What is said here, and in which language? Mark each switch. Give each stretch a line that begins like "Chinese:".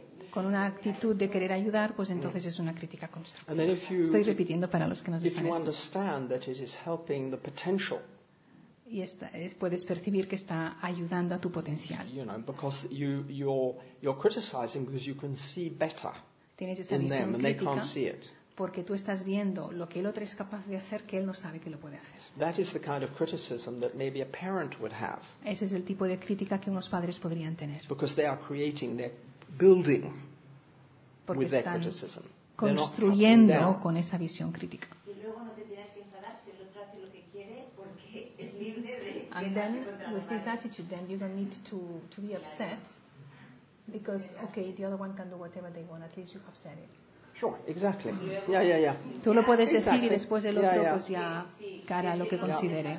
Spanish: Con una actitud de querer ayudar, pues entonces es una crítica constructiva. Estoy repitiendo para los que nos están escuchando.
English: If you understand that it is helping the potential.
Spanish: Y puedes percibir que está ayudando a tu potencial.
English: You know, because you're criticizing because you can see better.
Spanish: Tienes esa visión
English: them,
Spanish: crítica.
English: They can't see it.
Spanish: Porque tú estás viendo lo que el otro es capaz de hacer que él no sabe que lo puede hacer.
English: That is the kind of criticism that maybe a parent would have.
Spanish: Ese es el tipo de crítica que unos padres podrían tener.
English: Because they are creating, they're building
Spanish: porque
English: with their criticism.
Spanish: Construyendo con esa visión crítica. Y luego no te tienes que enfadar si el otro hace lo que quiere porque es libre de.
English: And then with this attitude, then you don't need to be upset because okay, the other one can do whatever they want. At least you have said it. Sure, exactly. Yeah.
Spanish: Tú lo puedes decir y después el otro pues ya cara lo que considere.